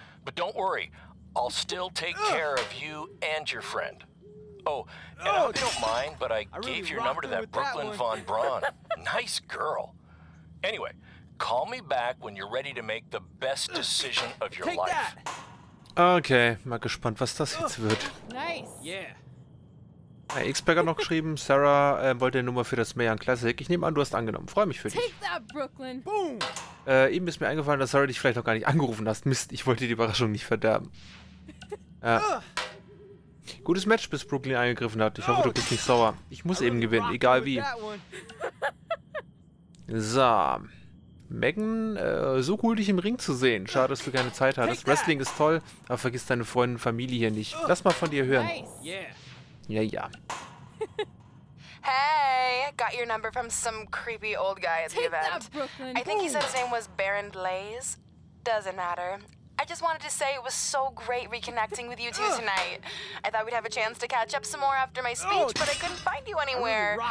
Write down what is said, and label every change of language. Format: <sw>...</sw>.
<en>But don't worry, I'll still take care of you and your friend. Oh, and I hope you don't mind, but I gave really your number to that Brooklyn that Von Braun. Nice girl. Anyway, call me back when you're ready to make the best decision of your life.</en> <de>That. Okay, mal gespannt, was das jetzt wird.</de> <en>Nice. Yeah.</en> <de>Hey, X-Pack hat noch geschrieben, Sarah wollte eine Nummer für das Mayan Classic. Ich nehme an, du hast angenommen. Freue mich für dich.</de> <en>Take that, Brooklyn. Boom.</en> <de>Eben ist mir eingefallen, dass Sarah dich vielleicht noch gar nicht angerufen hast. Mist, ich wollte die Überraschung nicht verderben. Gutes Match, bis Brooklyn eingegriffen hat. Ich hoffe, du bist nicht sauer. Ich muss eben gewinnen, egal wie. So. Megan, so cool, dich im Ring zu sehen. Schade, dass du keine Zeit hattest. Wrestling ist toll, aber vergiss deine Freunde und Familie hier nicht. Lass mal von dir hören.</de> <en>Nice. Yeah. Yeah, yeah. Hey, got your number from some creepy old guy at Take the event. That, Brooklyn. I think he said his name was Baron Blaze. Doesn't matter. I just wanted to say it was so great reconnecting with you two tonight. I thought we'd have a chance to catch up some more after my speech, but I couldn't find you anywhere.</en>